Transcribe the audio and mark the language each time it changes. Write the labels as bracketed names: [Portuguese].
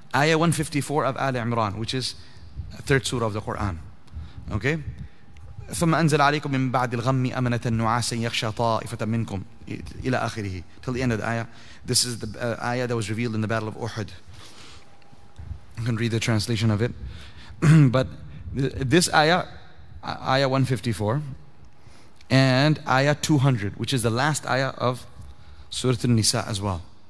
[English] Ayah 154 of Al Imran, which is third surah of the Quran. Okay? [Arabic] ثُمَّ أَنزَلَ عَلَيْكُمْ مِنْ بَعْدِ الْغَمِّ أَمَنَةً نُعَاسًا يَخْشَى طَائِفَةً مِنْكُمْ إِلَىٰ آخِرِهِ, [English] till the end of the ayah. This is the ayah that was revealed in the Battle of Uhud. You can read the translation of it. But this ayah, ayah 154, and ayah 200, which is the last ayah of Surah An-Nisa as well.